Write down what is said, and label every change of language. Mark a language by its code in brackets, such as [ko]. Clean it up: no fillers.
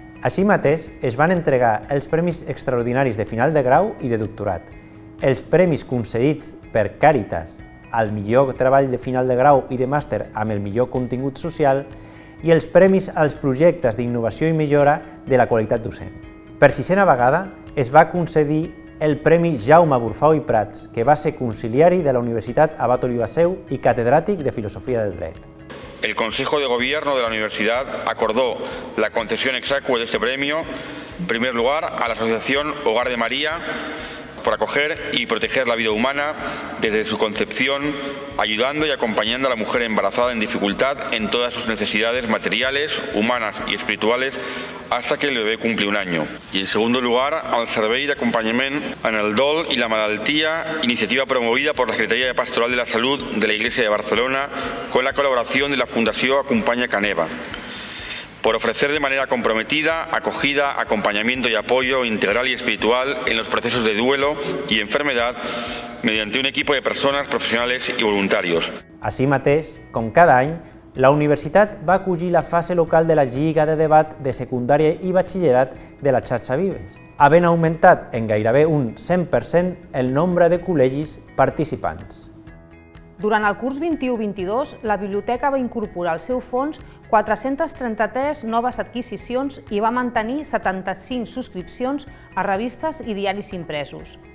[ca] Així mateix, es van entregar els premis extraordinaris de final de grau i de doctorat, els premis concedits per Càritas al millor treball de final de grau i de màster amb el millor contingut social i els premis als projectes d'innovació i millora de la qualitat docent. Per sisena vegada, es va concedir el Premi Jaume Burfau i Prats, que va ser conciliari de la Universitat Abat Oliba Ceu i catedràtic de Filosofia del Dret. [es] El Consejo de Gobierno de la Universidad acordó la concesión exacua de este premio, en primer lugar, a la Asociación Hogar de María, por acoger y proteger la vida humana desde su concepción, ayudando y acompañando a la mujer embarazada en dificultad en todas sus necesidades materiales, humanas y espirituales, hasta que el bebé cumple un año. Y en segundo lugar, al Servei d'Acompanyament en el Dol i la Malaltia, iniciativa promovida por la Secretaría de Pastoral de la Salud de la Iglesia de Barcelona con la colaboración de la Fundación Acompaña Caneva, por ofrecer de manera comprometida acogida, acompañamiento y apoyo integral y espiritual en los procesos de duelo y enfermedad mediante un equipo de personas profesionales y voluntarios. [ca] Así mateix, com cada any, la universitat va acollir la fase local de la Lliga de Debat de Secundària i Batxillerat de la xarxa Vives, havent augmentat en gairebé un 100% el nombre de col·legis participants. Durant el curs 21-22, la biblioteca va incorporar al seu fons 433 noves adquisicions i va mantenir 75 subscripcions a revistes i diaris impresos.